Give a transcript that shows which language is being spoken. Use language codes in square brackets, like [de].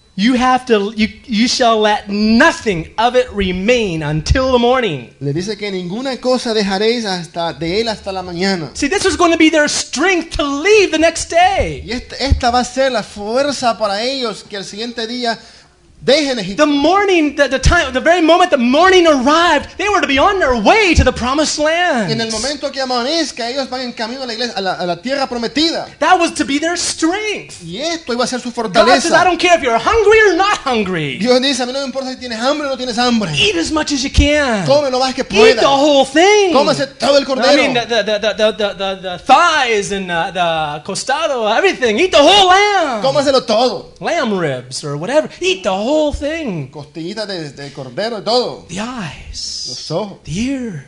[en] You have to you shall let nothing of it remain until the morning. [es] Le dice que ninguna cosa dejaréis hasta de él hasta la mañana. [en] See, this was going to be their strength to leave the next day. [es] Y esta va a ser la fuerza para ellos que el siguiente día dejen [en] the morning, the time, the very moment the morning arrived, they were to be on their way to the promised land. [es] En el momento que amanezca, ellos van en camino a la iglesia, a la tierra prometida. [en] That was to be their strength. [es] Y esto iba a ser su fortaleza. [en] God says, I don't care if you're hungry or not hungry. [es] Dios dice, a mí no me importa si tienes hambre o no tienes hambre. [en] Eat as much as you can. [es] Come lo más que pueda. [en] Eat the whole thing. [es] Cómase todo el cordero. [en] I mean, the thighs and the costado, everything. Eat the whole lamb. [es] Cómaselo todo. [en] Lamb ribs or whatever. Eat the whole whole thing. [es] Costillita de cordero y todo. [en] The eyes. [es] Los ojos. [en] The ears.